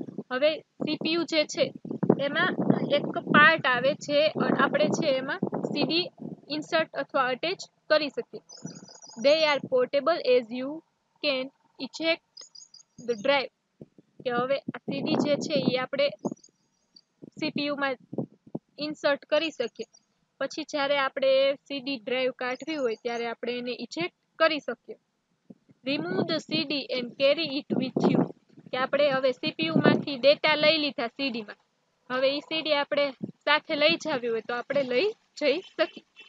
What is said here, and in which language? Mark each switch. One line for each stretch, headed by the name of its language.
Gujarati: હવે CPU જે છે એમાં એક પાર્ટ આવે છે, આપણે છે એમાં CD insert અથવા attach કરી શકીએ.
English: They are portable as you can eject the drive.
Gujarati: કે હવે CD જે છે એ આપણે CPU માં insert કરી શકીએ, પછી જ્યારે આપણે સીડી ડ્રાઈવ કાઢવી હોય ત્યારે આપણે એને ઇજેક્ટ કરી શકીએ.
English: Remove the CD and carry it with you.
Gujarati: કે આપણે હવે સીપીયુ માંથી ડેટા લઈ લીધા સીડીમાં, હવે એ સીડી આપણે સાથે લઈ જવી હોય તો આપણે લઈ જઈ શકીએ.